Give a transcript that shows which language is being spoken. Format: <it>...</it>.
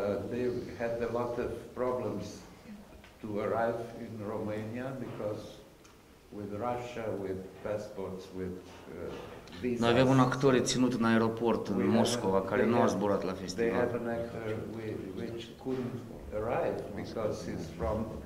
<en>They had a lot of problems to arrive in Romania because with Russia, with passports, with visas.</en> <ro>Noi avem un actor ținut în aeroport în Moscova care nu a zburat la festival.</ro> <en>They have an actor which couldn't arrive because he's from</en>